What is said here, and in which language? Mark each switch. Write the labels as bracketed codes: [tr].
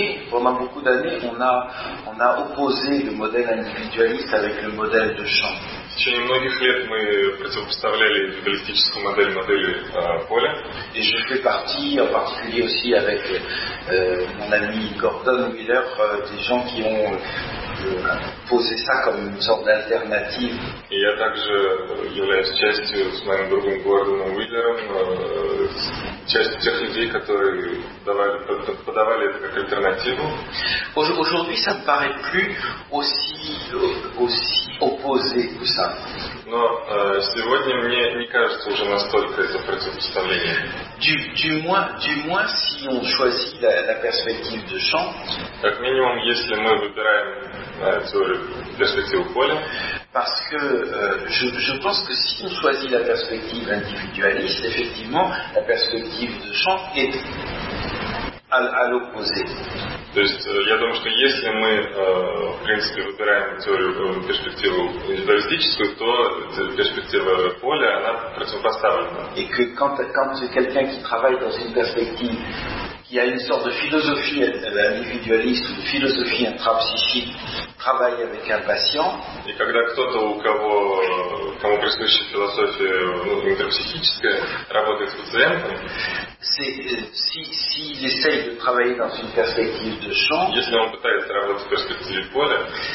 [fr] Pendant beaucoup d'années, on a opposé le modèle individualiste avec le modèle de champ. [ru] В течение многих лет мы противопоставляли индивидуалистическую модель поля. [fr] Et je fais partie, en particulier aussi avec mon ami Gordon Wheeler, des gens qui ont posé ça comme une sorte d'alternative. [ru] Et я также являюсь частью с моим другом Гордоном Уиллером, частью тех людей, которые подавали это как альтернативу. [fr] Aujourd'hui, ça ne paraît plus aussi opposé que ça. [ru] Но сегодня мне не кажется уже настолько это противопоставление. [fr] Du moins, si on choisit la perspective de champ. [ru] Как минимум, если мы выбираем перспективу поля. [fr] Parce que je pense que si on choisit la perspective individualiste, effectivement, la perspective de champ est à l'opposé. [ru] То есть я думаю, что если мы в принципе выбираем перспективу индивидуалистическую, то перспектива поля она противопоставлена. [fr] Et que quand quelqu'un qui travaille dans une perspective qui a une sorte de philosophie individualiste ou de philosophie intrapsychique travaille avec un patient. [ru] Et когда кто-то у кого кому присуща философия интрапсихическая работает с пациентом. [fr] Si il essaye de travailler dans une perspective de champ. [ru] Если он пытается работать в перспективе поля.